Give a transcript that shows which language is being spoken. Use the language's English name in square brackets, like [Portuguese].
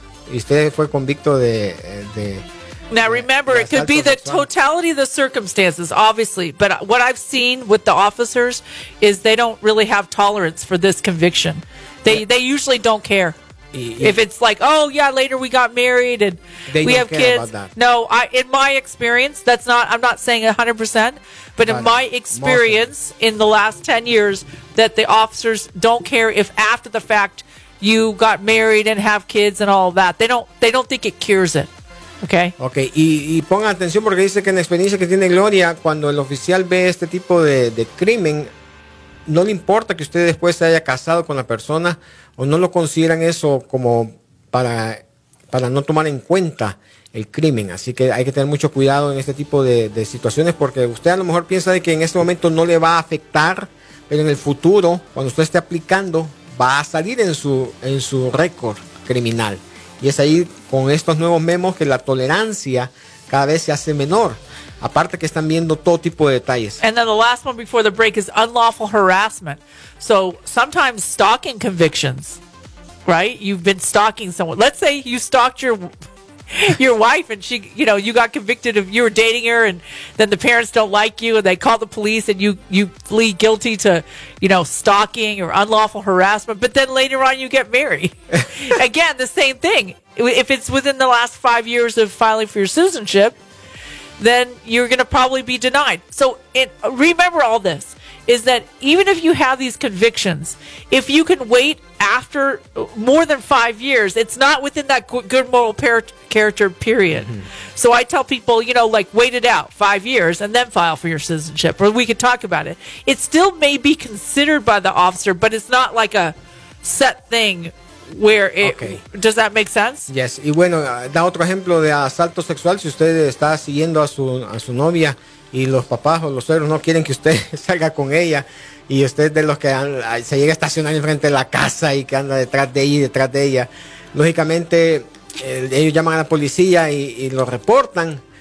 [Spanish] Y usted fue convicto de [English] Now remember, it could be the totality of the circumstances, obviously. But what I've seen with the officers is they don't really have tolerance for this conviction. They usually don't care. If it's like, oh yeah, later we got married and we have kids. No, in my experience, I'm not saying 100%, but in my experience in the last 10 years, that the officers don't care if after the fact you got married and have kids and all that. They don't think it cures it. Okay. Okay. [Spanish] Y ponga atención porque dice que en la experiencia que tiene Gloria, cuando el oficial ve este tipo de crimen, no le importa que usted después se haya casado con la persona o no lo consideran eso como para no tomar en cuenta el crimen. Así que hay que tener mucho cuidado en este tipo de situaciones porque usted a lo mejor piensa de que en este momento no le va a afectar, pero en el futuro, cuando usted esté aplicando, va a salir en su récord criminal. Y es ahí con estos nuevos memos que la tolerancia cada vez se hace menor. Aparte que están viendo todo tipo de detalles. [English] And then the last one before the break is unlawful harassment. So sometimes stalking convictions, right? You've been stalking someone. Let's say you stalked your your wife and she, you know, you got convicted of, you were dating her and then the parents don't like you and they call the police and you plead guilty to, you know, stalking or unlawful harassment. But then later on you get married. Again, the same thing. If it's within the last 5 years of filing for your citizenship, then you're going to probably be denied. So remember all this. Is that even if you have these convictions, if you can wait after more than 5 years, it's not within that good moral character period. Mm-hmm. So I tell people, you know, like wait it out 5 years and then file for your citizenship, or we could talk about it. It still may be considered by the officer, but it's not like a set thing where it, okay. Does that make sense? Yes. [Spanish] Y bueno, da otro ejemplo de asalto sexual. Si usted está siguiendo a su novia, y los papás o los suegros no quieren que usted salga con ella y usted de los que se llega a estacionar enfrente de la casa y que anda detrás de ella y detrás de ella. Lógicamente, ellos llaman a la policía y lo reportan.